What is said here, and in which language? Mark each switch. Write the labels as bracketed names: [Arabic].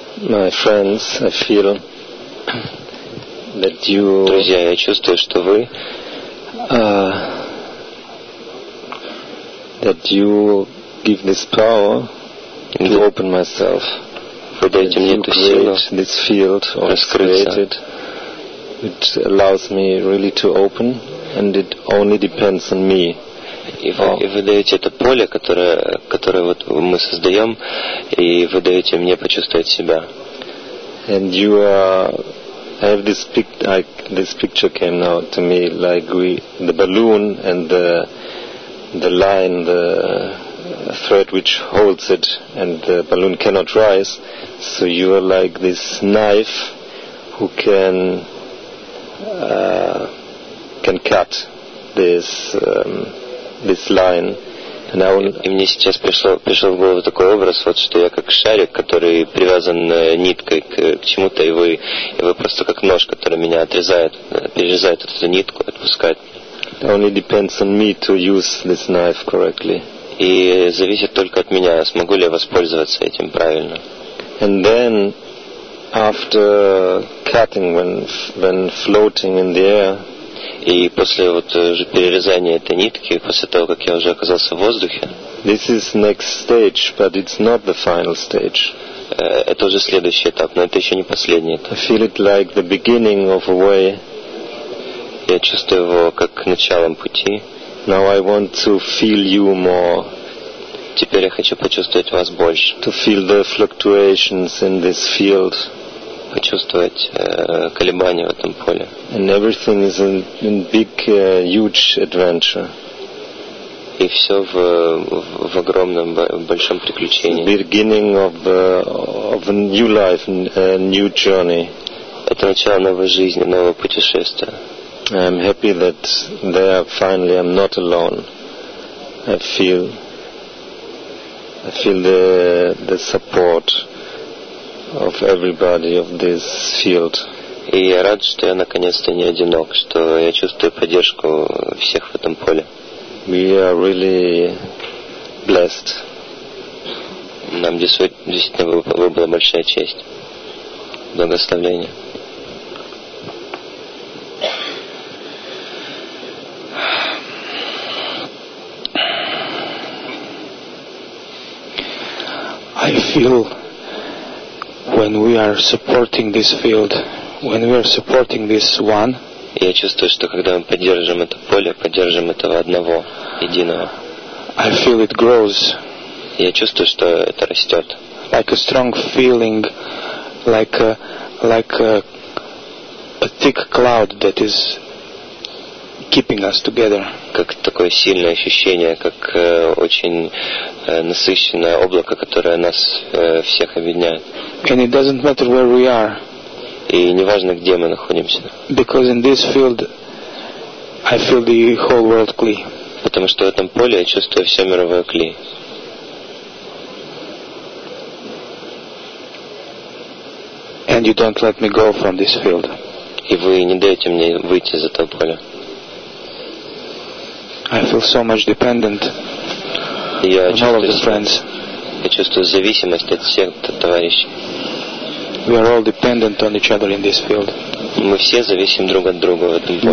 [English] My friends, I feel that you... [Russian] Друзья, я чувствую, что вы... [English] That you give this power to open myself. [Russian] Вы даете мне эту силу [English] this field [Russian] раскрыться. [English] It allows me really to open, and it only depends on me. [Russian] И вы даете это поле, которое вот мы создаем, и вы даете мне почувствовать себя. [English] And you are, I have this picture. This picture came now to me like we, the balloon and the line, the thread which holds it, and the balloon cannot rise. So you are like this knife, who can cut this line. [Russian] И мне сейчас пришел в голову такой образ, вот что я как шарик, который привязан ниткой к чему-то, и вы просто как нож, который меня отрезает, перерезает эту нитку, отпускает. [English] It only depends on me to use this knife correctly. [Russian] И зависит только от меня, смогу ли я воспользоваться этим правильно. [English] And then, after cutting, when floating in the air, [Russian] и после вот уже перерезания этой нитки, после того, как я уже оказался в воздухе, [English] this is next stage, but it's not the final stage. [Russian] Это уже следующий этап, но это еще не последний этап. [English] I feel it like the beginning of a way. [Russian] Я чувствую его как началом пути. [English] Now I want to feel you more. [Russian] Теперь я хочу почувствовать вас больше. [English] To feel the fluctuations in this field. [Russian] Почувствовать колебания в этом поле. [English] And everything is in big, huge adventure. [Russian] И все в огромном, большом приключении. [English] The beginning of a new life, a new journey. [Russian] Это начало новой жизни, нового путешествия. [English] I'm happy that there finally I'm not alone. I feel the support of everybody of this field. [Russian] И я рад, что я наконец-то не одинок, что я чувствую поддержку всех в этом поле. [English] We are really blessed. [Russian] Нам действительно выпала большая честь. Благословение. [English] I feel when we are supporting this field, when we are supporting this one, [Russian] я чувствую, что когда мы поддерживаем это поле, поддерживаем этого одного, единого. [English] I feel it grows. [Russian] Я чувствую, что это растет. [English] Like a strong feeling, like a thick cloud that is keeping us together. [Russian] Как такое сильное ощущение, как очень насыщенное облако, которое нас всех объединяет. [English] And it doesn't matter where we are. [Russian] И не важно, где мы находимся. [English] Because in this field I feel the whole world кли. [Russian] Потому что в этом поле я чувствую все мировое кли. [English] And you don't let me go from this field. [Russian] И вы не даете мне выйти из этого поля. [English] I feel so much dependent on all of the friends. [Russian] Я чувствую зависимость от всех товарищей. [English] We are all dependent on each other in this field. [Russian] Мы все зависим друг от друга в этом поле.